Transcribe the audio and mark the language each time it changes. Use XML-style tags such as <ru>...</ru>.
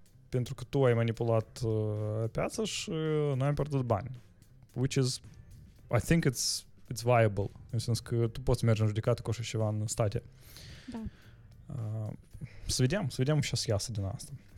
<ro>Pentru că tu ai manipulat piața și nu ai pierdut bani.</ro> <en>Which is, I think it's viable.</en> <ro>În sens că tu poți merge în judecată cu așa ceva în state. Da. Să vedem și să iasă din asta.</ro>